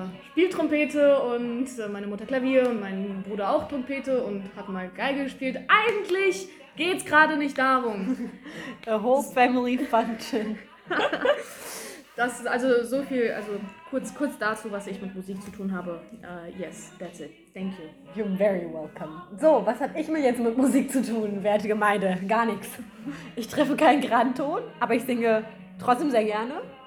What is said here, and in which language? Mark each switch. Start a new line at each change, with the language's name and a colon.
German: Spielt Trompete und meine Mutter Klavier und mein Bruder auch Trompete und hat mal Geige gespielt. Eigentlich geht's gerade nicht darum.
English: A whole family function.
German: Das ist also so viel, also kurz dazu, was ich mit Musik zu tun habe.
English: Yes, that's it. Thank you. You're very welcome.
German: So, was habe ich mir jetzt mit Musik zu tun, werte Gemeinde? Gar nichts. Ich treffe keinen geraden Ton, aber ich singe trotzdem sehr gerne.